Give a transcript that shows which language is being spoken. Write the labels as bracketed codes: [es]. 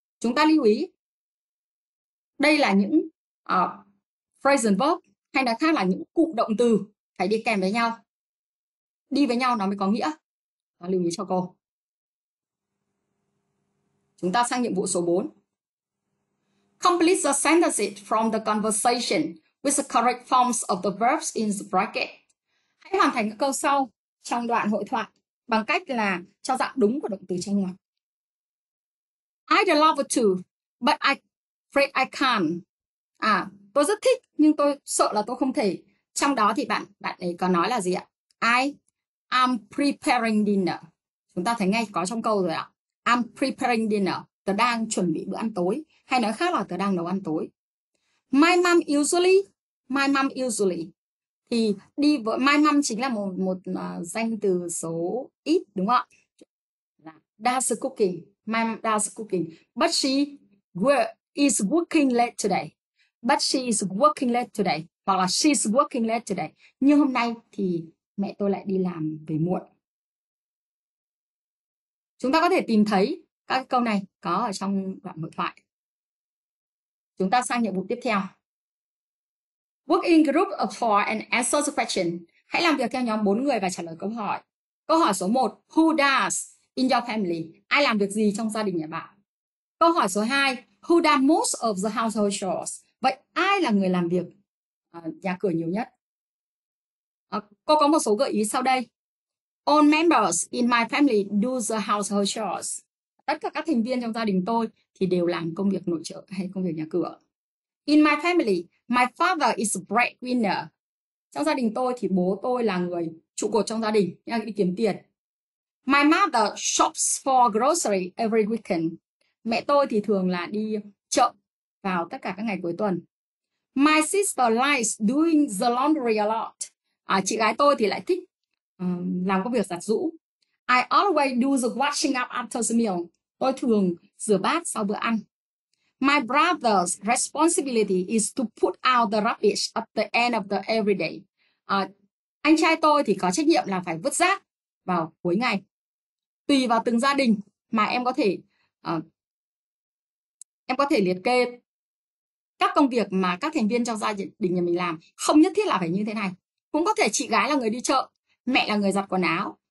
[vi] Chúng ta lưu ý đây là những phrasal verb, hay nói khác là những cụm động từ phải đi kèm với nhau. Đi với nhau nó mới có nghĩa. Đó, lưu ý cho cô. Chúng ta sang nhiệm vụ số 4. [en] Complete the sentences from the conversation with the correct forms of the verbs in the bracket. [vi] Hãy hoàn thành câu sau trong đoạn hội thoại bằng cách là cho dạng đúng của động từ trong ngoặc. [en] I'd love to, but I'm afraid I can't. [vi] À, tôi rất thích nhưng tôi sợ là tôi không thể. Trong đó thì bạn ấy có nói là gì ạ? [en] I'm preparing dinner. [vi] Chúng ta thấy ngay có trong câu rồi ạ. [en] I'm preparing dinner. [vi] Tớ đang chuẩn bị bữa ăn tối. Hay nói khác là tớ đang nấu ăn tối. [en] My mom usually. [vi] Thì đi với my mom chính là một danh từ số ít, đúng không ạ? [en] Does cooking. My mom does cooking. But she is working late today. But she is working late today. [vi] Hoặc là [en] she is working late today. [vi] Nhưng hôm nay thì mẹ tôi lại đi làm về muộn. Chúng ta có thể tìm thấy các câu này có ở trong đoạn hội thoại. Chúng ta sang nhiệm vụ tiếp theo. [en] Work in group of four and answer the question. [vi] Hãy làm việc theo nhóm 4 người và trả lời câu hỏi. Câu hỏi số 1. [en] Who does in your family? [vi] Ai làm việc gì trong gia đình nhà bạn? Câu hỏi số 2. [en] Who does most of the household chores? [vi] Vậy ai là người làm việc nhà cửa nhiều nhất? Cô có một số gợi ý sau đây. [en] All members in my family do the household chores. [vi] Tất cả các thành viên trong gia đình tôi thì đều làm công việc nội trợ hay công việc nhà cửa. [en] In my family, my father is a breadwinner. [vi] Trong gia đình tôi thì bố tôi là người trụ cột trong gia đình, đang đi kiếm tiền. [en] My mother shops for grocery every weekend. [vi] Mẹ tôi thì thường là đi chợ vào tất cả các ngày cuối tuần. [en] My sister likes doing the laundry a lot. [vi] Chị gái tôi thì lại thích làm công việc giặt giũ. [en] I always do the washing up after the meal. [vi] Tôi thường rửa bát sau bữa ăn. [en] My brother's responsibility is to put out the rubbish at the end of the every day. [vi] Anh trai tôi thì có trách nhiệm là phải vứt rác vào cuối ngày. Tùy vào từng gia đình mà em có thể liệt kê các công việc mà các thành viên trong gia đình nhà mình làm. Không nhất thiết là phải như thế này. Cũng có thể chị gái là người đi chợ, mẹ là người giặt quần áo.